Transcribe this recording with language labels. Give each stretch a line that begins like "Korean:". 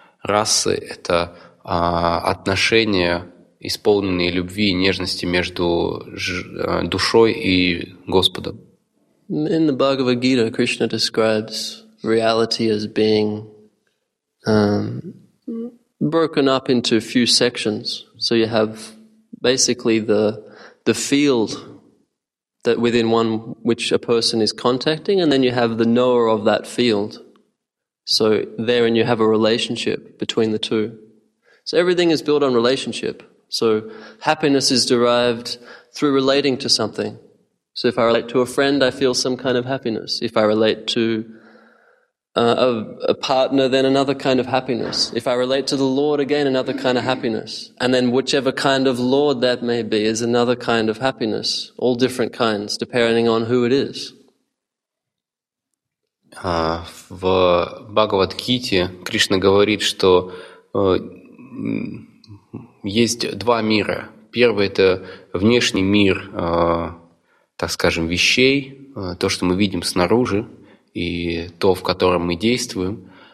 Russian: Расы — это отношения, исполненные любви и нежности между душой и Господом.
English: In the Bhagavad Gita, Krishna describes reality as being broken up into a few sections. So you have basically the field that within one which a person is contacting, and then you have the knower of that field. So therein you have a relationship between the two. So everything is built on relationship. So happiness is derived through relating to something. So if I relate to a friend, I feel some kind of happiness. If I relate to a partner, then another kind of happiness. If I relate to the Lord, again, another kind of happiness. And then whichever kind of Lord that may be is another kind of happiness, all different kinds, depending on who it is.
Russian: В Бхагавад-гите Кришна говорит, что есть два мира. Первый — это внешний мир, так скажем, вещей, то, что мы видим снаружи, и то, в котором мы действуем.